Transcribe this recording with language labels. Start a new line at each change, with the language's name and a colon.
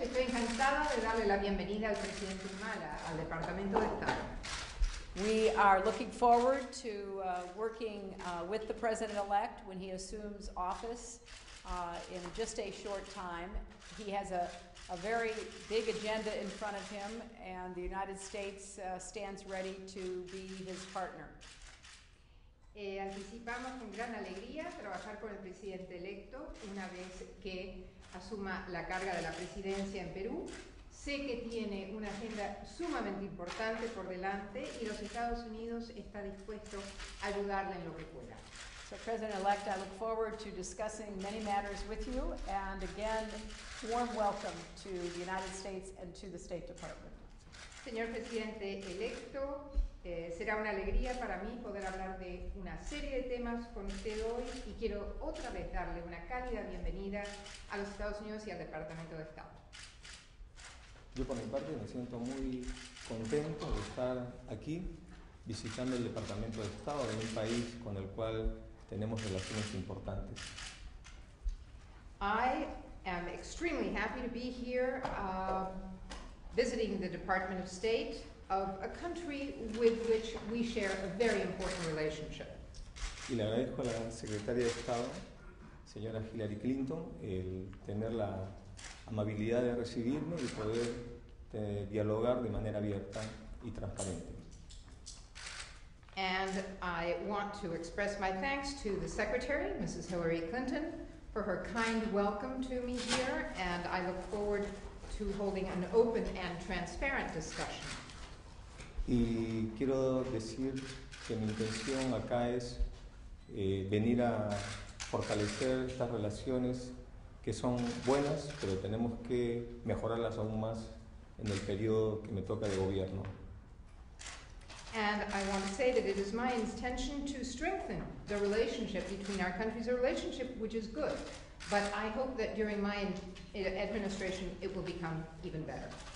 Spanish: Estoy encantada de darle la bienvenida al presidente Humala al Departamento de Estado.
English: We are looking forward to working with the president-elect when he assumes office in just a short time. He has a very big agenda in front of him, and the United States stands ready to be his partner.
Spanish: Anticipamos con gran alegría trabajar con el presidente electo una vez que asuma la carga de la presidencia en Perú. Sé que tiene una agenda sumamente importante por delante y los Estados Unidos está dispuesto a ayudarle en lo que pueda.
English: So, President-elect, I look forward to discussing many matters with you, and again, warm welcome to the United States and to the State Department.
Spanish: Señor presidente electo, será una alegría para mí poder hablar de una serie de temas con usted hoy y quiero otra vez darle una cálida bienvenida a los Estados Unidos y al Departamento de Estado. Yo por mi parte me siento muy contento de estar aquí visitando el Departamento de Estado de un país con el cual tenemos relaciones importantes.
English: I am extremely happy to be here visiting the Department of State of a country with which we share a very important relationship.
Spanish: Y le agradezco a la Secretaria de Estado, señora Hillary Clinton, el tener la amabilidad de recibirme y poder dialogar de manera abierta y transparente.
English: And I want to express my thanks to the Secretary, Mrs. Hillary Clinton, for her kind welcome to me here, and I look forward to holding an open and transparent discussion.
Spanish: Y quiero decir que mi intención acá es venir a fortalecer estas relaciones que son buenas, pero tenemos que mejorarlas aún más en el periodo que me toca de gobierno.
English: And I want to say that it is my intention to strengthen the relationship between our countries, a relationship which is good, but I hope that during my administration it will become even better.